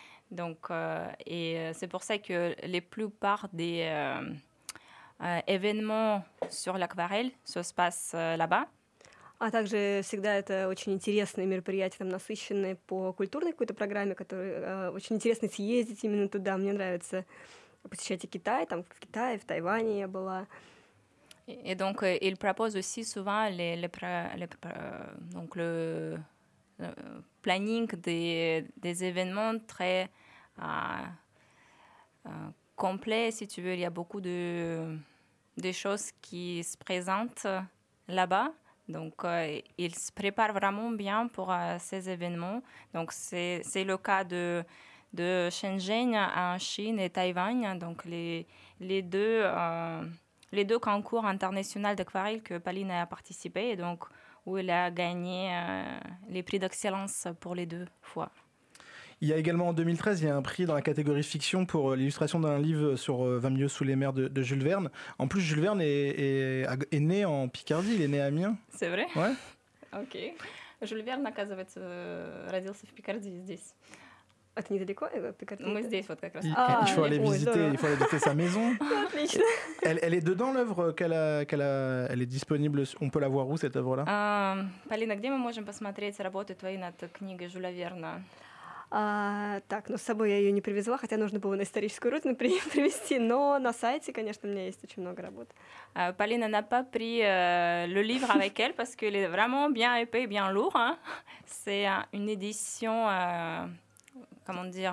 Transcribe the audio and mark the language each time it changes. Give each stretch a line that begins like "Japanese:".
French: Donc, et c'est pour ça que les plupart des événements sur l'aquarelle se passent là-bas.
Russian: А также всегда это очень интересные мероприятия, там насыщенные по культурной какой-то программе, которые очень интересно съездить именно туда. Мне нравится посещать и Китай, там в Китае, в Тайване я была.
French: Et donc il propose aussi souvent le planning des événements très complet, si tu veux. Il y a beaucoup de choses qui se présentent là-bas. Donc, il se prépare vraiment bien pour ces événements. Donc, c'est le cas de Shenzhen en Chine et Taïwan. Donc, les deux concours internationaux d'aquarelle que Pauline a participé, et donc où elle a gagné les prix d'excellence pour les deux fois. Il y a également en 2013, il y a un prix dans la catégorie fiction pour l'illustration d'un livre sur 20 lieues sous les mers de Jules Verne. En plus, Jules Verne est né en Picardie, il est né à Amiens. C'est vrai? Ouais. Ok.
Russian: Jules Verne, оказывается, родился в Picardie, здесь. А ты недалеко? Мы здесь, вот как раз.
French: Il faut aller visiter sa maison. elle est dedans, l'œuvre elle est disponible. On peut la voir où, cette œuvre-là?
Russian: Полина, где мы можем посмотреть работы твои над книгой Жюля Верна? Так, но с собой я ее не привезла, хотя нужно было на историческую родину привезти, но на сайте, конечно, у меня есть очень много работ.
French: Полина n'a pas pris le livre avec elle parce qu'il est vraiment bien épais, bien lourd. Hein. C'est une édition, comment dire?